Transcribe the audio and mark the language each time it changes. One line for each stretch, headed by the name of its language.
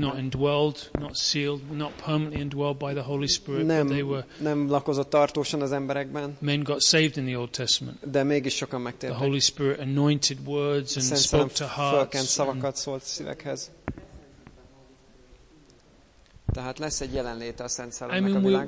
English: Not indwelled, not sealed, not permanently indwelled by the Holy Spirit.
Hungarian: Nem,
English: they were,
Hungarian: nem lakozott tartósan az emberekben.
English: Men got saved in the Old Testament.
Hungarian: De mégis sokan megtértek.
English: The Holy Spirit anointed words and spoke to hearts.
Hungarian: Fölkent szavakat szólt szívekhez. Tehát lesz egy jelenléte a Szent Szellemnek a világban.